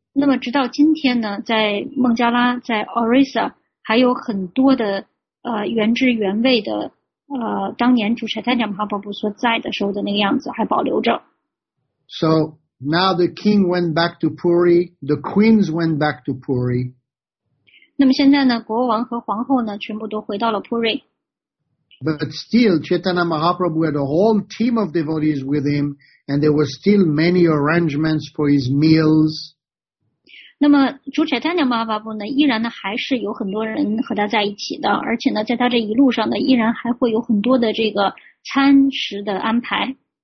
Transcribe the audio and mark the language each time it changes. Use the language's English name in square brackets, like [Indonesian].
[Chinese] 那么直到今天呢，在孟加拉，在 Orissa 还有很多的原汁原味的当年主 Chaitanya Mahaprabhu 所在的时候的那个样子还保留着。 [English] So now the king went back to Puri, the queens went back to Puri. [Chinese] 那么现在呢，国王和皇后呢，全部都回到了 Puri. [English] But still, Chaitanya Mahaprabhu had a whole team of devotees with him, and there were still many arrangements for his meals. [Chinese] 那么主 Chaitanya Mahaprabhu 呢，依然呢还是有很多人和他在一起的，而且呢，在他这一路上呢，依然还会有很多的这个餐食的安排。